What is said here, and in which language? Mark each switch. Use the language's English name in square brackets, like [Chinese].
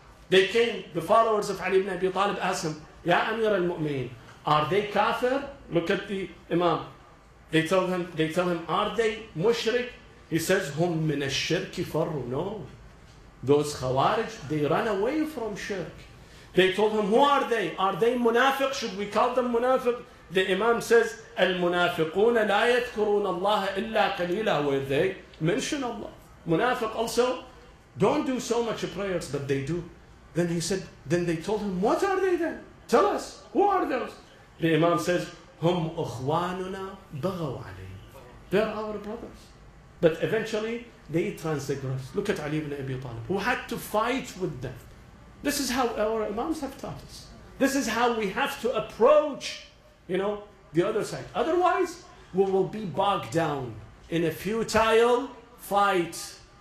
[English] They came, the followers of Ali ibn Abi Talib asked him, Ya Amir al-Mu'mineen, are they kafir? Look at the Imam. They tell him, are they mushrik? He says, [Arabic] Hum min ash-shirki farru. [English] No. Those Khawarij, they run away from shirk. They told him, who are they? Are they munafiq? Should we call them munafiq? The Imam says, [Arabic] المنافقون لا يذكرون الله إلا قليلا. [English] Where they mention Allah. Munafiq also don't do so much prayers, but they do. Then they told him, what are they then? Tell us, who are those? The Imam says, [Arabic] هم أخواننا بغوا عليهم. [English] They're our brothers. But eventually, they transgress. Look at Ali ibn Abi Talib, who had to fight with them. This is how our Imams have taught us. This is how we have to approach, you know, the other side. Otherwise, we will be bogged down in a futile fight.